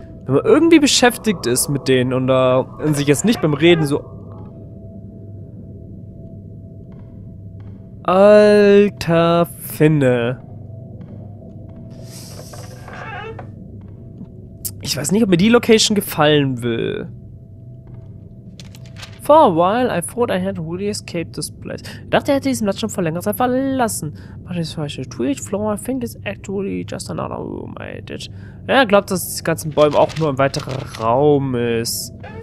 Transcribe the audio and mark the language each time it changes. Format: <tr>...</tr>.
<de>Wenn man irgendwie beschäftigt ist mit denen und sich jetzt nicht beim Reden so... Alter Finne. Ich weiß nicht, ob mir die Location gefallen will.</de> <en>For a while, I thought I had really escaped this place.</en> <de>Ich dachte, er hätte diesen Platz schon vor längerer Zeit verlassen.</de> <en>But this special twitch floor, I think it's actually just another room I did.</en> <de>Ja, er glaubt, dass die ganzen Bäume auch nur ein weiterer Raum ist.</de>